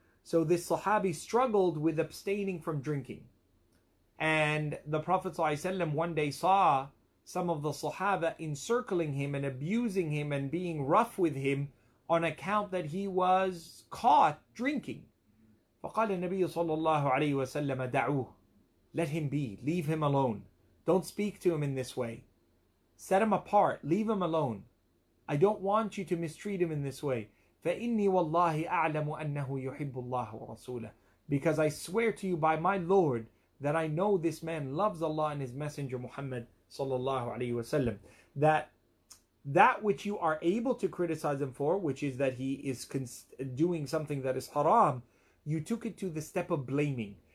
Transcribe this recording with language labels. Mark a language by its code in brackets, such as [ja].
[en] So this Sahabi struggled with abstaining from drinking. And the Prophet sallallahu alaihi wasallam one day saw some of the Sahaba encircling him and abusing him and being rough with him on account that he was caught drinking. [ar] فقال النبي صلى الله عليه وسلم دعوه. [en] Let him be. Leave him alone. Don't speak to him in this way. Set him apart. Leave him alone. I don't want you to mistreat him in this way. [ar] فإني والله أعلم أنه يحب الله ورسوله. [en] Because I swear to you by my Lord that I know this man loves Allah and his messenger Muhammad صلى الله عليه وسلم. That which you are able to criticize him for, which is that he is doing something that is haram, you took it to the step of blaming.